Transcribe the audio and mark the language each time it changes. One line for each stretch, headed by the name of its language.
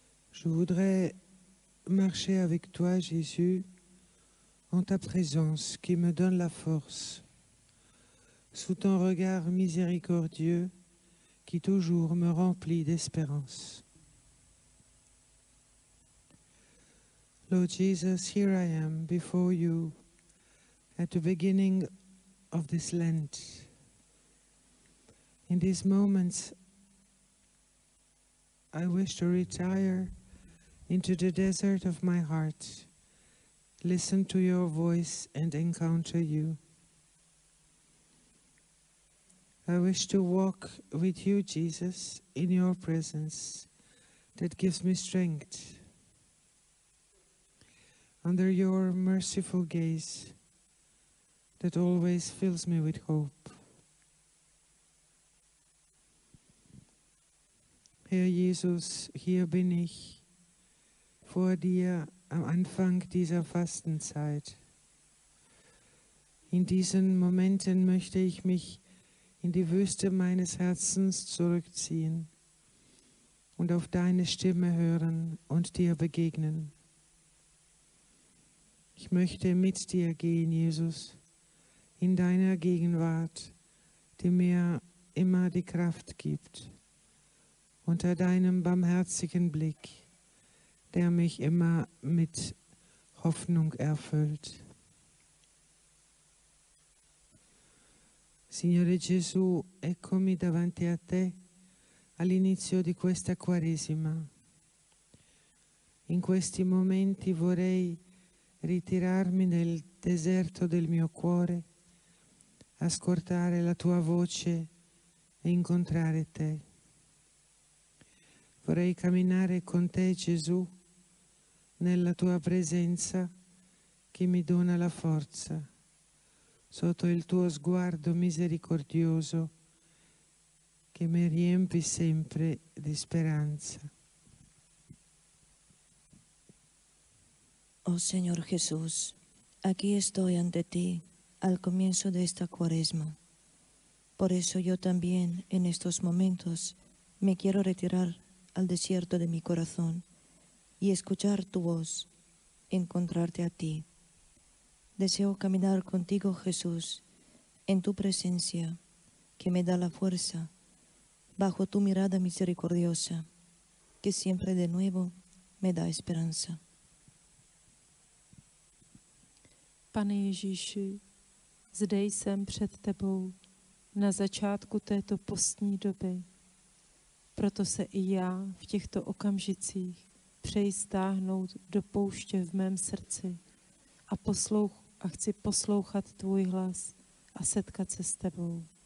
French: Je voudrais marcher avec toi, Jésus, en ta présence qui me donne la force, sous ton regard miséricordieux, qui toujours me remplit d'espérance.
English: Lord Jesus, here I am before you at the beginning of this Lent. In these moments, I wish to retire into the desert of my heart, listen to your voice and encounter you. I wish to walk with you, Jesus, in your presence that gives me strength. Under your merciful gaze that always fills me with hope.
German: Herr Jesus, hier bin ich vor dir am Anfang dieser Fastenzeit. In diesen Momenten möchte ich mich in die Wüste meines Herzens zurückziehen und auf deine Stimme hören und dir begegnen. Ich möchte mit dir gehen, Jesus, in deiner Gegenwart, die mir immer die Kraft gibt. Unter deinem barmherzigen Blick, der mich immer mit Hoffnung erfüllt.
Italian: Signore Gesù, eccomi davanti a te all'inizio di questa Quaresima. In questi momenti vorrei ritirarmi nel deserto del mio cuore, ascoltare la tua voce e incontrare te. Vorrei camminare con te, Gesù, nella tua presenza che mi dona la forza, sotto il tuo sguardo misericordioso che mi riempi sempre di speranza.
Spanish: Oh Señor Jesús, aquí estoy ante ti al comienzo de esta cuaresma. Por eso yo también en estos momentos me quiero retirar al desierto de mi corazón y escuchar tu voz, encontrarte a ti. Deseo caminar contigo, Jesús, en tu presencia que me da la fuerza, bajo tu mirada misericordiosa que siempre de nuevo me da esperanza.
Czech: Pane Ježíši, zde jsem před tebou na začátku této postní doby. Proto se i já v těchto okamžicích přeji stáhnout do pouště v mém srdci a chci poslouchat tvůj hlas a setkat se s tebou.